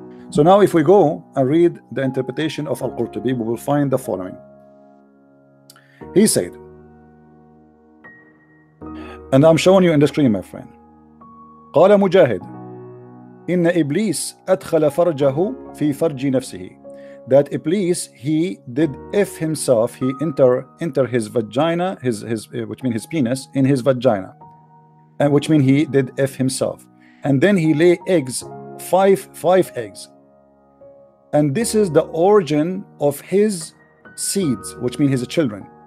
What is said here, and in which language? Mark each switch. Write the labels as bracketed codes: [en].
[en] So now if we go and read the interpretation of Al-Qurtubi, we will find the following. He said, and I'm showing you in the screen, my friend. [ar] قال مجاهد إن إبليس أدخل فرجه في فرج نفسه. [en] That Iblis, he did if himself, he enter his vagina, his penis in his vagina, and which mean he did if himself, and then he lay eggs, five eggs, and this is the origin of his seeds, which mean his children.